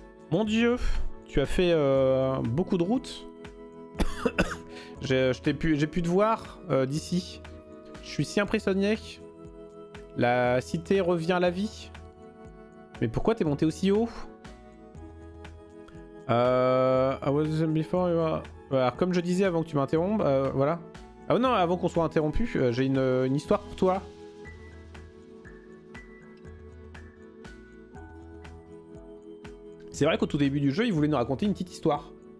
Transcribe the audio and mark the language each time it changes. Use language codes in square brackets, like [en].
[fr] Mon dieu. Tu as fait beaucoup de route. J'ai pu te voir d'ici. Je suis si impressionné. La cité revient à la vie. Mais pourquoi t'es monté aussi haut? [en] I was there before you are... [fr] Alors, comme je disais avant que tu m'interrompes, voilà. Ah non, avant qu'on soit interrompu, j'ai une histoire pour toi. C'est vrai qu'au tout début du jeu, il voulait nous raconter une petite histoire.